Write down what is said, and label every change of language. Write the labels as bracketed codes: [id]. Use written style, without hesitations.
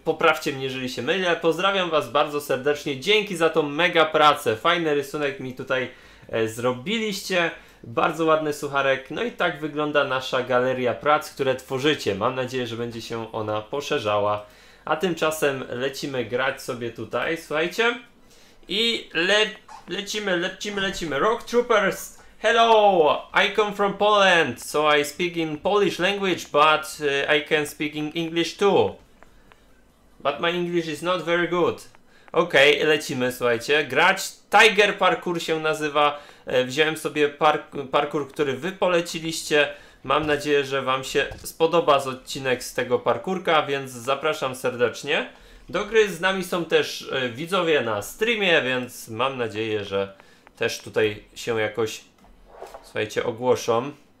[pl] Poprawcie mnie, jeżeli się mylę. Pozdrawiam Was bardzo serdecznie. Dzięki za tą mega pracę. Fajny rysunek mi tutaj zrobiliście. Bardzo ładny sucharek. No i tak wygląda nasza galeria prac, które tworzycie. Mam nadzieję, że będzie się ona poszerzała. A tymczasem lecimy grać sobie tutaj. Słuchajcie. I lecimy. [en] Rock Troopers, hello, I come from Poland, so I speak in Polish language, but I can speak in English too. But my English is not very good. [pl] Okej, okay, lecimy, słuchajcie. Grać Tiger Parkour się nazywa. Wziąłem sobie parkour, który wy poleciliście. Mam nadzieję, że wam się spodoba z odcinek z tego parkourka, więc zapraszam serdecznie. Do gry z nami są też widzowie na streamie, więc mam nadzieję, że też tutaj się jakoś, słuchajcie, ogłoszą.